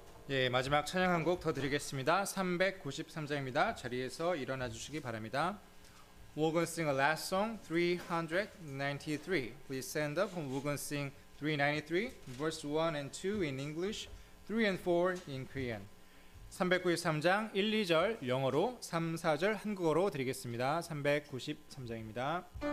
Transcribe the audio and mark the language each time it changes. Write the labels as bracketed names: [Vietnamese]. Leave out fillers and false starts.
[Korean] 예, 마지막 찬양 한 곡 더 드리겠습니다. 393장입니다. 자리에서 일어나 주시기 바랍니다. [English] We're going to sing a last song, 393. Please stand up and we're going to sing 393, verse 1 and 2 in English, 3 and 4 in Korean. [Korean] 393장 1, 2절 영어로, 3, 4절 한국어로 드리겠습니다. 393장입니다.